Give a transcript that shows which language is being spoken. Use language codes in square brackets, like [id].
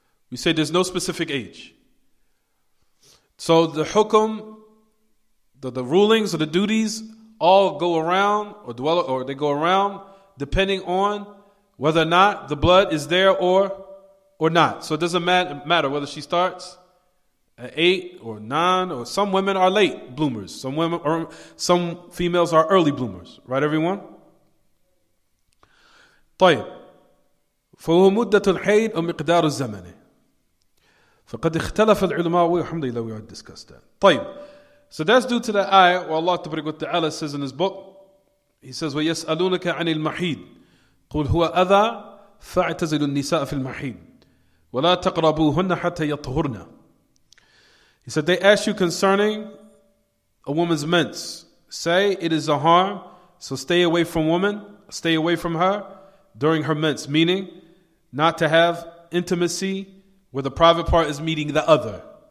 [en] We say there's no specific age. So the hukum, the rulings or the duties all go around or dwell or they go around depending on whether or not the blood is there or not. So it doesn't matter whether she starts at 8 or 9, or some women are late bloomers. Some women or some females are early bloomers, right, everyone? [ar] طيب فهو مدة الحيض أو مقدار الزمن فقد اختلف العلماء والحمد لله [en] we already discussed that. [ar] طيب [en] so that's due to the ayah where Allah [ar] تبارك وتعالى [en] says in his book, he says [ar] ويسألونك عن المحيض قل هو أذى فاعتزل النساء في المحيض ولا تقربوهن حتى يطهرن. [en] He said they ask you concerning a woman's mens, say it is a harm, so stay away from woman, stay away from her during her mens, meaning not to have intimacy where the private part is meeting the other.